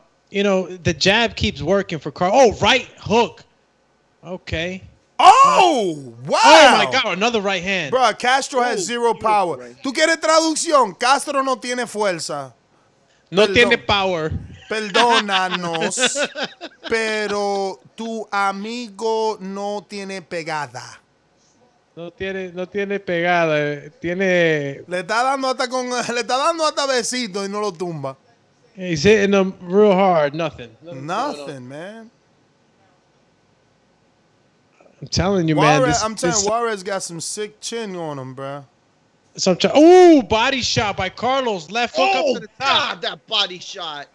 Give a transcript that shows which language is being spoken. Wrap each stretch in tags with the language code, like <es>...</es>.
<en>You know, the jab keeps working for Carl. Oh, right hook. Okay. Oh, wow. Oh, my God. Another right hand. Bro, Castro has zero power.</en> <es>Right. ¿Tú quieres traducción? Castro no tiene fuerza. No tiene power. Perdónanos. Pero tu amigo no tiene pegada. No tiene pegada. Tiene. Le está dando hasta besito y no lo tumba.</es> <en>He's hitting them real hard. Nothing, man. I'm telling you, Juarez got some sick chin on him, bro. Body shot by Carlos. Left hook up to the top. God, that body shot.</en>